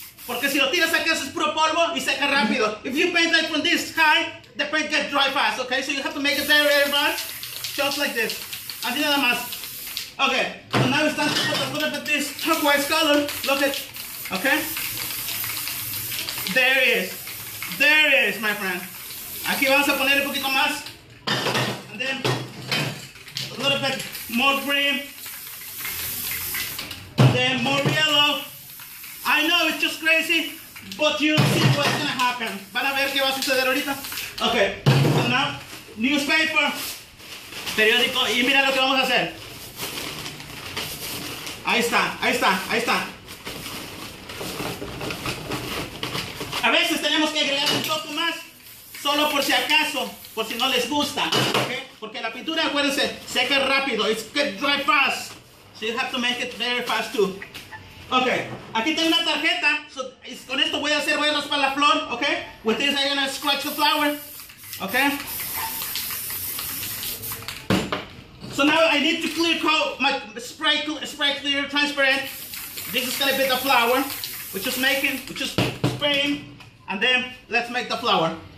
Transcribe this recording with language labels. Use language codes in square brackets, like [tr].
[es] Porque si lo tiras aquí, eso es puro polvo y seca rápido. [en] If you paint like from this high, the paint gets dry fast, okay? So you have to make it very, very fast, just like this. Así nada más. Okay, so now it's time to put a little bit of this turquoise color. Look at, okay? There it is, my friend. [es] Aquí vamos a poner un poquito más. And then, a little bit more green. [en] And then more yellow. I know it's just crazy, but you'll see what's gonna happen. [es] Van a ver qué va a suceder ahorita. Okay, so now, newspaper, periódico, y mira lo que vamos a hacer. Ahí está. A veces tenemos que agregar un poco más, solo por si acaso, por si no les gusta, okay? Porque la pintura, acuérdense, seca rápido, it's get dry fast. [en] So you have to make it very fast too. [es] Okay, aquí tengo una tarjeta, so, con esto voy a raspar la flor, okay? [en] With this I'm gonna scratch the flower, okay? So now I need to clear coat my spray clear, transparent. This is gonna be the flower. We're just spraying, and then let's make the flower.